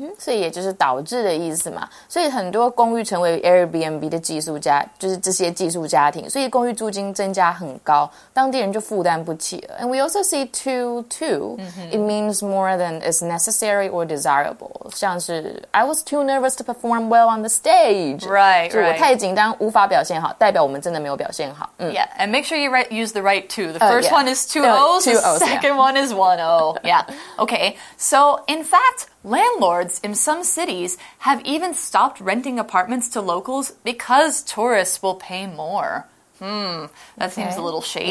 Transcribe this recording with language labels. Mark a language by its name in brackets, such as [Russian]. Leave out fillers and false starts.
[Chinese] 所以也就是导致的意思嘛。所以很多公寓成为 Airbnb 的寄宿家，就是这些寄宿家庭，所以公寓租金增加很高，当地人就负担不起了。 [English] And we also see too. It means more than is necessary or desirable. 像是 I was too nervous to perform well on the stage. Right, [Chinese] right. 就我太紧张无法表现好代表我们真的没有表现好、嗯、 [English] Yeah, and make sure you use the right two. The first one is two O's, the second one is one O. Yeah, okay. So, in fact, landlords in some cities have even stopped renting apartments to locals because tourists will pay more. That seems a little shady.